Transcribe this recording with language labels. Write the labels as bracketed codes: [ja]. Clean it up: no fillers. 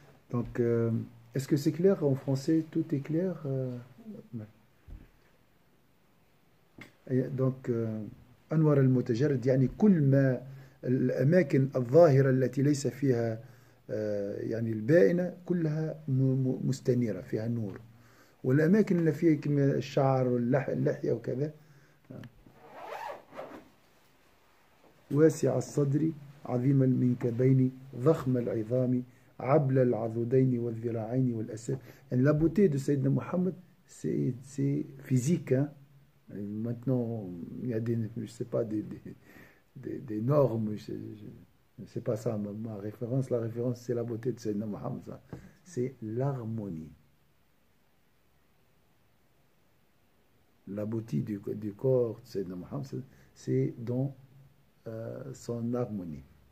[fr] Donc, est-ce que c'est clair en français? Tout est clair? Et donc, [ar] Anwar al-Mutajarrid, yani كل ما الأماكن الظاهرة التي ليس فيها يعني الباينة كلها مستنيرة فيها نور. والأماكن اللي فيها الشعر واللحية وكذا واسع الصدر عظيم المنكبين ضخم العظام عبل العضدين والذراعين والأسد. [fr] يعني لا بوتي دو سيدنا محمد سي فيزيك. Maintenant, il y a des, je sais pas, des normes, c'est pas ça ma référence. La référence, c'est la beauté de Sayyidina Muhammad. C'est l'harmonie. La beauté du corps de Sayyidina Muhammad, c'est dans son harmonie.